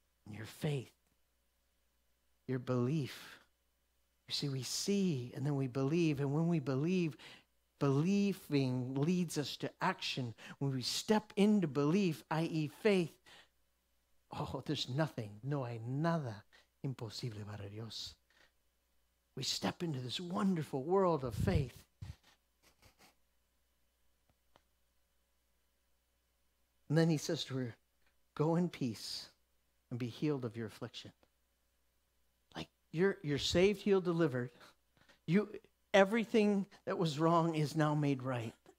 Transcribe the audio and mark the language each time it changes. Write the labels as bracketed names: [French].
[English] Your faith, your belief. You see, we see and then we believe. And when we believe, believing leads us to action. When we step into belief, i.e. faith, oh, there's nothing. [Spanish] No hay nada imposible para Dios. [English] We step into this wonderful world of faith. And then he says to her, go in peace and be healed of your affliction. Like, you're saved, healed, delivered. You, everything that was wrong is now made right.